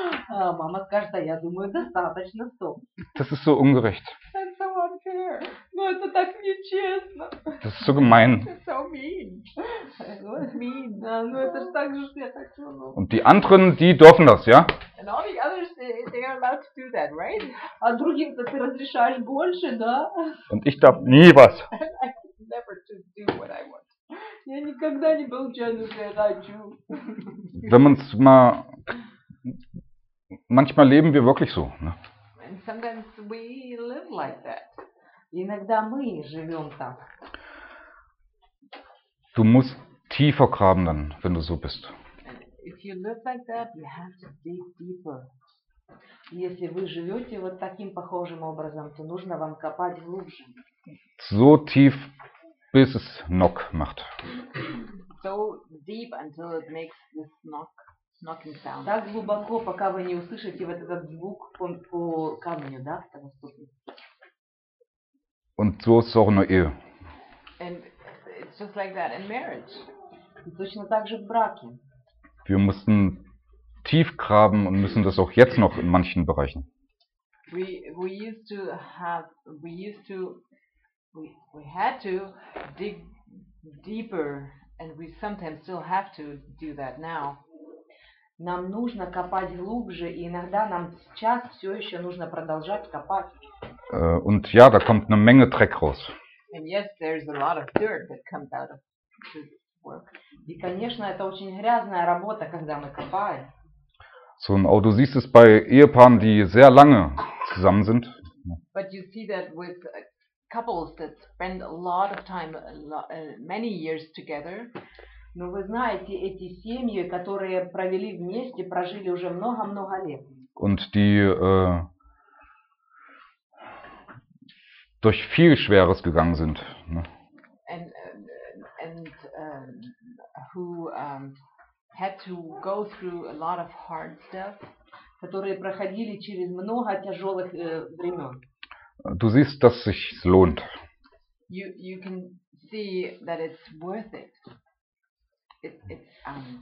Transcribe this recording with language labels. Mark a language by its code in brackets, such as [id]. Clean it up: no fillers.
[ru] Мама скажет, а я думаю, достаточно, стоп. [de] Das ist so ungerecht. [en] That's so unfair. [ru] Ну, это так нечестно. [de] Das ist so gemein. [en] It's so mean. [ru] Ну, это же так же, что я так чувствую. [de] Und die anderen, die dürfen das, ja? [en] And all the others, they are allowed to do that, right? [ru] А другим-то ты разрешаешь больше, да? [de] Und ich darf nie was. [en] I could never just do what I want. [ru] Я никогда не получаю, что я хочу. [de] Wenn man's mal... Manchmal leben wir wirklich so. Ne? [en] And sometimes we live like that. [ru] Иногда мы живем так. [de] Du musst tiefer graben dann, wenn du so bist. [en] If you live like that, you have to dig deeper. [ru] Если вы живете вот таким похожим образом, то нужно вам копать глубже. [de] So tief, bis es knock macht. [en] So deep until it makes this knock. [ru] Так глубоко, пока вы не услышите вот этот звук по камню, да, в таком стуке. [de] Und so ist auch in der Ehe. [en] And it's just like that in marriage. [ru] И точно так же в браке. [de] Wir mussten tief graben und müssen das auch jetzt noch in manchen Bereichen. [en] We had to dig deeper and we sometimes still have to do that now. [ru] Нам нужно копать глубже, и иногда нам сейчас все еще нужно продолжать копать. [de] Und ja, da kommt eine Menge Dreck raus. [en] And yes, there's a lot of dirt that comes out of this work. [ru] И, конечно, это очень грязная работа, когда мы копаем. [de] So, aber du siehst es bei Ehepaaren, die sehr lange zusammen sind. [en] But you see that with couples that spend a lot of time, many years together. [ru] Но вы знаете, эти семьи, которые провели вместе, прожили уже много-много лет. [de] Und die durch viel Schweres gegangen sind. Ne? [en] And who had to go through a lot of hard stuff. [ru] Которые проходили через много тяжелых времен. [de] Du siehst, dass sich es lohnt. [en] You can see that it's worth it. It's